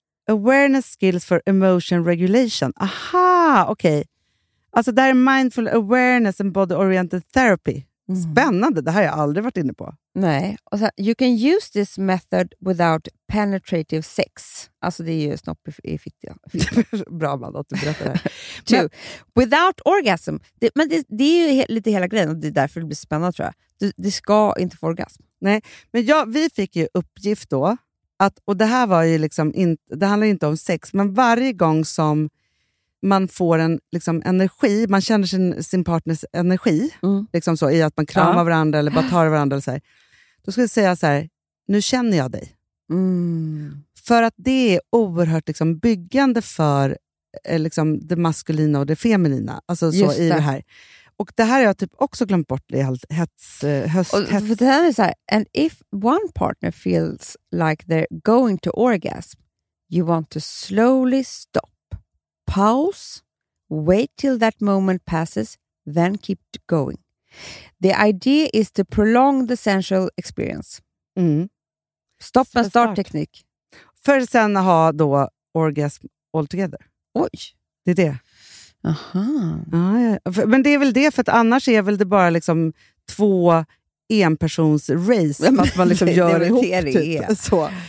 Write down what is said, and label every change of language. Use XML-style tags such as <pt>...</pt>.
<en>Awareness skills for emotion regulation. Aha, okej. Okay.</en> <sv>Alltså det här är</sv> <en>mindful awareness and body-oriented therapy. Mm.</en> <sv>Spännande, det här har jag aldrig varit inne på. Nej, och så,</sv> <en>you can use this method without penetrative sex.</en> <sv>Alltså det är ju snopp i fittiga. Bra, man, att du berättar det här.</sv> <en>Two, without orgasm.</en> <sv>Det är ju lite hela grejen och det är därför det blir spännande, tror jag. Det ska inte få orgasm. Nej, men vi fick ju uppgift då. Att, och det här var ju liksom, det handlar inte om sex. Men varje gång som man får en liksom energi, man känner sin partners energi, mm. liksom så, i att man kramar, ja. Varandra eller bara tar varandra eller så här. Då ska jag säga så här, nu känner jag dig. Mm. För att det är oerhört liksom byggande för liksom det maskulina och det feminina, alltså så. Just i det. Det här. Och det här har jag typ också glömt bort i allt höst. Och för det här är så här,</sv> <en>and if one partner feels like they're going to orgasm, you want to slowly stop. Pause, wait till that moment passes, then keep going. The idea is to prolong the sensual experience. Mm.</en> <sv>Stopp och start teknik. För sen ha då orgasm altogether. Oj. Det är det. Aha. Ah, ja. Men det är väl det, för att annars är väl det bara liksom två enpersons race. Att man liksom gör det ihop. Det är det. Typ, så.</sv>